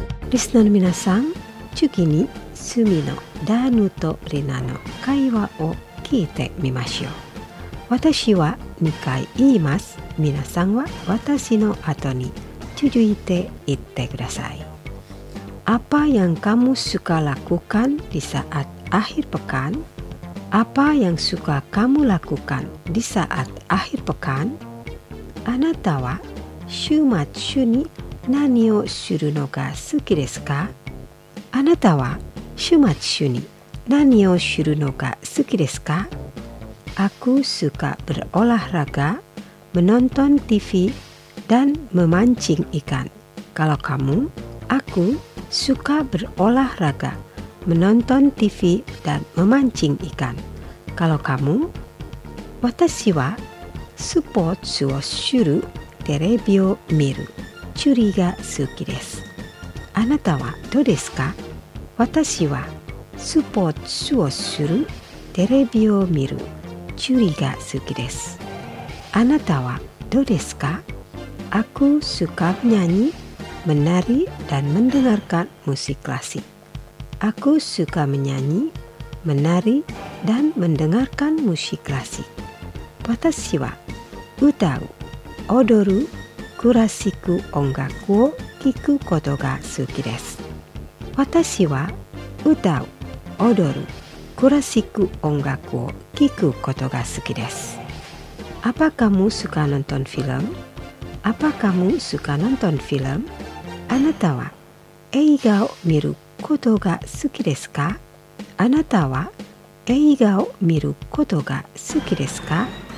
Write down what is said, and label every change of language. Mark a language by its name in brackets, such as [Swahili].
[Japanese] リスナーの皆さん、次にスミのダーヌとリナの会話を聞いてみましょう。私は2回言います。皆さんは私の後に続いて言ってください。 [Indonesian] Apa yang kamu suka lakukan di saat akhir pekan? Apa yang suka kamu lakukan di saat akhir pekan? [Japanese] あなたは週末週に何をするのが好きですか？あなたは週末週に何をするのが好きですか？ [Indonesian] Aku suka berolahraga, menonton TV, dan memancing ikan. Kalau kamu, aku suka berolahraga, menonton TV, dan memancing ikan. Kalau kamu, [Japanese] 私はスポーツをするテレビを見る。釣りが好きです。あなたはどうですか？私はスポーツをする、テレビを見る、釣りが好きです。あなたはどうですか？ [Indonesian] Aku suka menyanyi, menari, dan mendengarkan musik klasik. Aku suka menyanyi, menari, dan mendengarkan musik klasik. [Japanese] 私は歌う、踊る、クラシック音楽を聞くことが好きです。私は歌う、踊る、クラシック音楽を聞くことが好きです。 [Indonesian] Apa kamu suka nonton film? Apa kamu suka nonton film? [Japanese] あなたは映画を見ることが好きですか？あなたは映画を見ることが好きですか？